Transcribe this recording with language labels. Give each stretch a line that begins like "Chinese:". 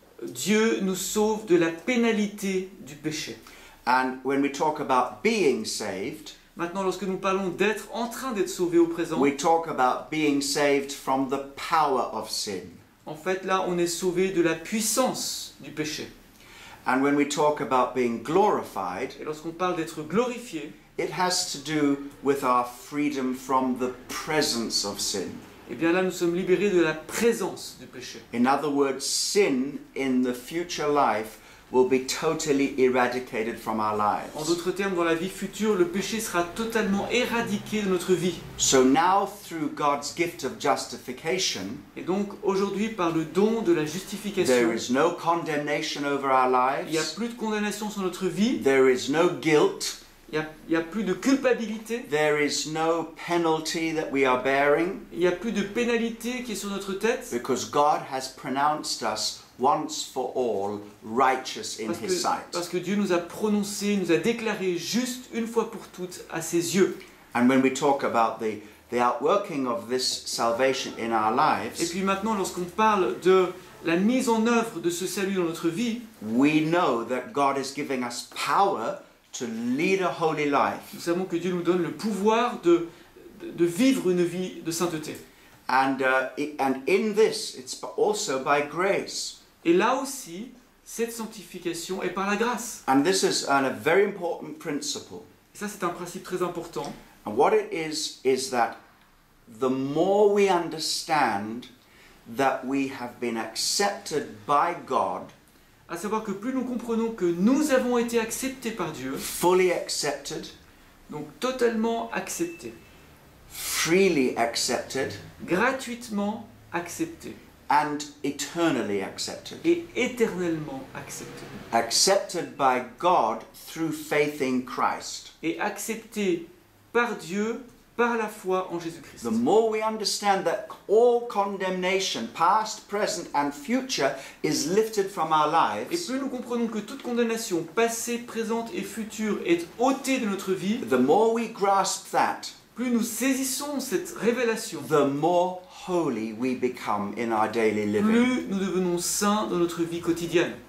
French: Dieu nous sauve de la pénalité du péché.
English: And when we talk about being saved,
French: Maintenant, lorsque nous parlons d'être en train d'être sauvé au présent,
English: we talk about being saved from the power of sin.
French: En fait, là, on est sauvé de la puissance du péché.
English: And when we talk about being glorified,
French: et lorsqu'on parle d'être glorifié,
English: it has to do with our freedom from the presence of sin.
French: Et bien là, nous sommes libérés de la présence du péché.
English: In other words, sin in the future life will be totally eradicated from our lives.
French: En d'autres termes, dans la vie future, le péché sera totalement éradiqué de notre vie.
English: So now, through God's gift of justification,
French: et donc aujourd'hui, par le don de la justification,
English: there is no condemnation over our lives.
French: Il n'y a plus de condamnation sur notre vie.
English: There is no guilt.
French: Il n'y a plus de culpabilité.
English: There is no penalty that we are bearing.
French: Il n'y a plus de pénalité qui est sur notre tête.
English: Because God has pronounced us once for all righteous in his sight.
French: Parce que Dieu nous a prononcé, nous a déclaré juste une fois pour toutes à ses yeux.
English: And when we talk about the outworking of this salvation in our lives,
French: et puis maintenant lorsqu'on parle de la mise en œuvre de ce salut dans notre vie,
English: we know that God is giving us power to lead a holy life.
French: Nous savons que Dieu nous donne le pouvoir de vivre une vie de sainteté.
English: And in this, it's also by grace.
French: Et là aussi, cette sanctification est par la grâce.
English: And this is a very important principle.
French: Et ça, c'est un principe très important.
English: And what it is that the more we understand that we have been accepted by God,
French: à savoir que plus nous comprenons que nous avons été acceptés par Dieu,
English: fully accepted,
French: donc totalement acceptés,
English: freely accepted,
French: gratuitement accepté,
English: and eternally accepted,
French: et éternellement accepté,
English: accepted by God through faith in Christ,
French: et accepté par Dieu par la foi en Jésus-Christ.
English: The more we understand that all condemnation, past, present and future, is lifted from our lives,
French: et plus nous comprenons que toute condamnation passée, présente et future est ôtée de notre vie,
English: the more we grasp that,
French: plus nous saisissons cette révélation,
English: the more holy we become in our daily living.
French: Plus nous devenons saints dans notre vie quotidienne.